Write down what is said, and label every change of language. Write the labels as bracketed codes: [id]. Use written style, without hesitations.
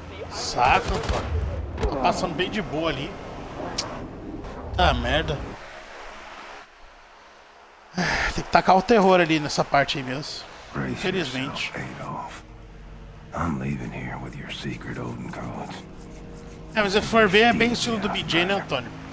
[pt] Saco, pô. Tô passando bem de boa ali. Tá, merda. Tem que tacar o terror ali nessa parte aí mesmo. Infelizmente. [en] I'm leaving here with your secret Odin codes. [pt] É, mas se for ver, é bem estilo do BJ, né, Antônio?